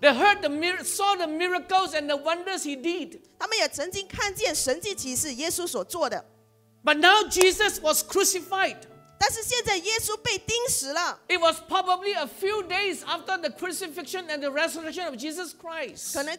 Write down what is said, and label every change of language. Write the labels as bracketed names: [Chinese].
[English] They heard saw the miracles and the wonders he did. [Chinese] 他们也曾经看见神迹奇事耶稣所做的。 [English] But now Jesus was crucified. [Chinese] 但是现在耶稣被钉死了。 [English] It was probably a few days after the crucifixion and the resurrection of Jesus Christ.